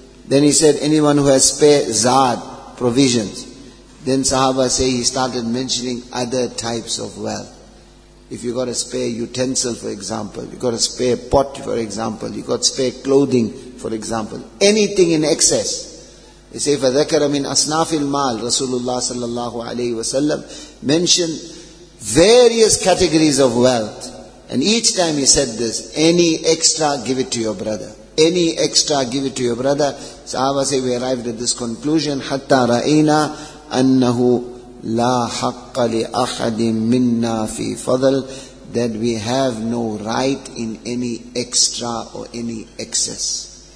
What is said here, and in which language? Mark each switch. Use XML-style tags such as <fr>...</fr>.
<en>Then he said, anyone who has spare zaad, provisions. Then Sahaba say he started mentioning other types of wealth. If you got a spare utensil, for example, you got a spare pot, for example, you got spare clothing, for example, anything in excess. They say,</en> <ar>فَذَكَرَ مِنْ أَصْنَافِ الْمَالِ رَسُولُ اللَّهِ صَلَّى اللَّهُ عَلَيْهِ وَسَلَّمْ</ar> <en>mentioned various categories of wealth. And each time he said this, any extra, give it to your brother. Any extra, give it to your brother. Sahaba say, we arrived at this conclusion,</en> <ar>حَتَّى رَأَيْنَا أَنَّهُ لَا حَقَّ لِأَحَدٍ مِنَّا فِي فَضَلٍ,</ar> <en>that we have no right in any extra or any excess.</en>